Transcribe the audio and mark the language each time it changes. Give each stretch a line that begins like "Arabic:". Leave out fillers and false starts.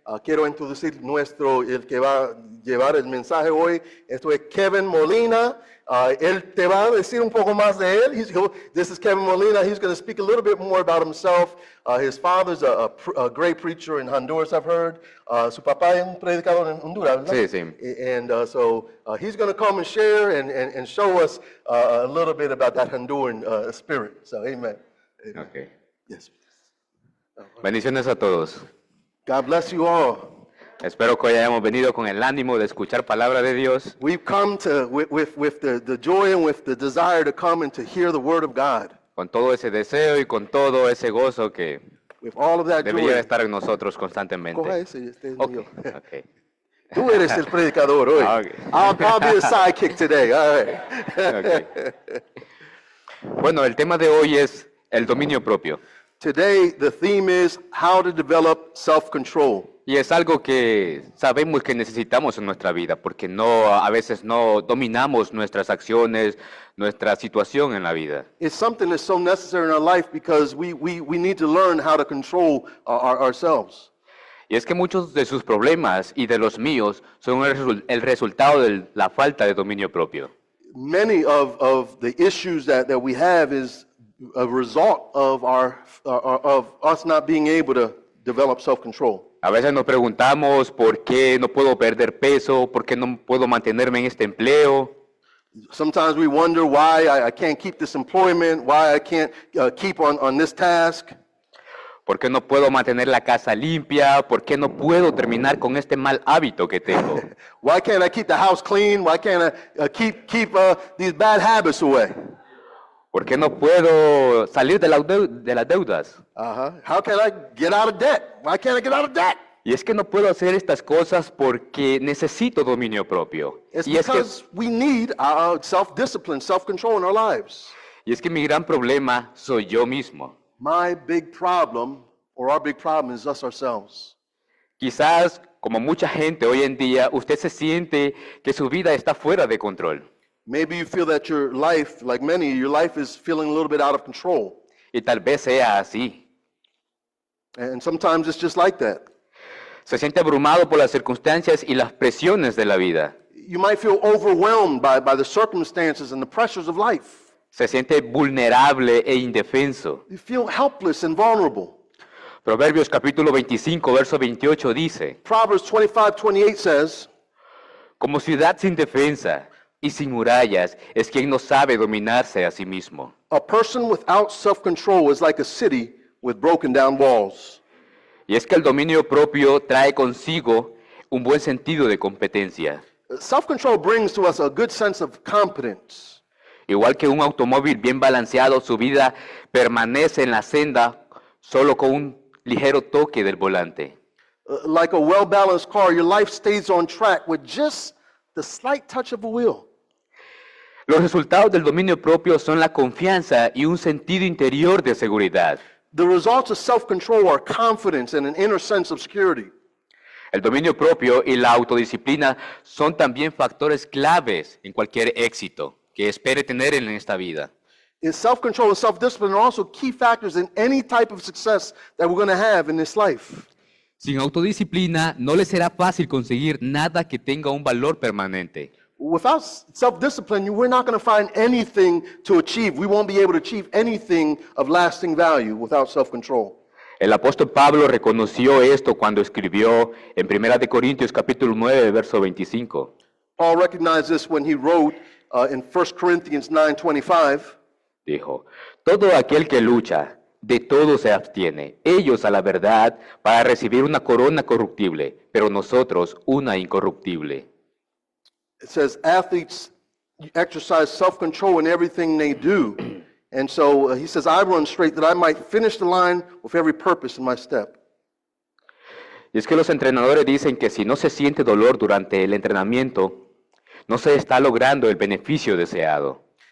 Spanish: Quiero introducir nuestro, el que va a llevar el mensaje hoy. Esto es Kevin Molina. Él te va a decir un poco más de él.
English: This is Kevin Molina. He's going to speak a little bit more about himself. His father's a great preacher in Honduras, I've heard.
Spanish: Su papá es un predicador en Honduras, ¿verdad? Sí, sí.
English: And so he's going to come and share and show us a little bit about that Honduran spirit. So, amen. Okay. Yes.
Spanish: Bendiciones a todos.
English: God bless you all.
Spanish: Espero que hayamos venido con el ánimo de escuchar palabra de Dios.
English: We've come to with the joy and with the desire to come and to hear the word of God.
Spanish: Con todo ese deseo y con todo ese gozo que
English: with all of that
Spanish: debería
English: joy.
Spanish: Estar en nosotros constantemente. Coge ese, este es
English: okay.
Spanish: Mío.
English: Okay.
Spanish: Tú eres el predicador hoy.
English: Okay. I'll be a sidekick today. All right. Okay.
Spanish: Bueno, el tema de hoy es el dominio propio.
English: Today the theme is how to develop self-control.
Spanish: Y es algo que sabemos que necesitamos en nuestra vida, porque no a veces no dominamos nuestras acciones, nuestra situación en la vida.
English: It's something that's so necessary in our life because we need to learn how to control ourselves.
Spanish: Y es que muchos de sus problemas y de los míos son el resultado de la falta de dominio propio.
English: Many of the issues that we have is a result of us not being able to develop self-control.
Spanish: A veces nos preguntamos por qué no puedo perder peso, por qué no puedo mantenerme en este empleo.
English: Sometimes we wonder why I can't keep this employment, why I can't keep on this task.
Spanish: Por qué no puedo mantener la casa limpia, por qué no puedo terminar con este mal hábito que tengo.
English: Why can't I keep the house clean? Why can't I keep these bad habits away?
Spanish: ¿Por qué no puedo salir de las deudas?
English: Uh-huh. How can I get out of debt? Why can't I get out of debt?
Spanish: Y es que no puedo hacer estas cosas porque necesito dominio propio.
English: It's
Spanish: y
English: because
Spanish: es que,
English: we need self-discipline, self-control in our lives.
Spanish: Y es que mi gran problema soy yo mismo.
English: My big problem, or our big problem, is us ourselves.
Spanish: Quizás, como mucha gente hoy en día, usted se siente que su vida está fuera de control.
English: Maybe you feel that your life, like many, your life is feeling a little bit out of control.
Spanish: Y tal vez sea así.
English: And sometimes it's just like that.
Spanish: Se siente abrumado por las circunstancias y las presiones de la vida.
English: You might feel overwhelmed by the circumstances and the pressures of life.
Spanish: Se siente vulnerable e indefenso.
English: You feel helpless and vulnerable.
Spanish: Proverbios capítulo 25, verso 28 dice.
English: Proverbs 25:28 says.
Spanish: Como ciudad sin defensa. Y sin murallas es quien no sabe dominarse a sí mismo.
English: A person without self-control is like a city with broken down walls.
Spanish: Y es que el dominio propio trae consigo un buen sentido de competencia.
English: Self-control brings to us a good sense of competence.
Spanish: Igual que un automóvil bien balanceado, su vida permanece en la senda solo con un ligero toque del volante.
English: Like a well-balanced car, your life stays on track with just the slight touch of a wheel.
Spanish: Los resultados del dominio propio son la confianza y un sentido interior de seguridad.
English: The results of self-control are confidence and an inner sense of security.
Spanish: El dominio propio y la autodisciplina son también factores claves en cualquier éxito que espere tener en esta vida.
English: And self-control and self-discipline are also key factors in any type of success that we're going to have in this life.
Spanish: Sin autodisciplina, no le será fácil conseguir nada que tenga un valor permanente.
English: Without self-discipline, we're not going to find anything to achieve. We won't be able to achieve anything of lasting value without self-control.
Spanish: El apóstol Pablo reconoció esto cuando escribió en 1 Corintios capítulo 9, verso 25.
English: Paul recognized this when he wrote in 1 Corinthians 9:25.
Spanish: Dijo, todo aquel que lucha, de todo se abstiene. Ellos a la verdad para recibir una corona corruptible, pero nosotros una incorruptible.
English: It says athletes exercise self-control in everything they do. And so he says, I run straight that I might finish the line with every purpose in my step.
Spanish: Y es que los entrenadores dicen que si no se siente dolor durante el entrenamiento, no se está logrando el beneficio deseado.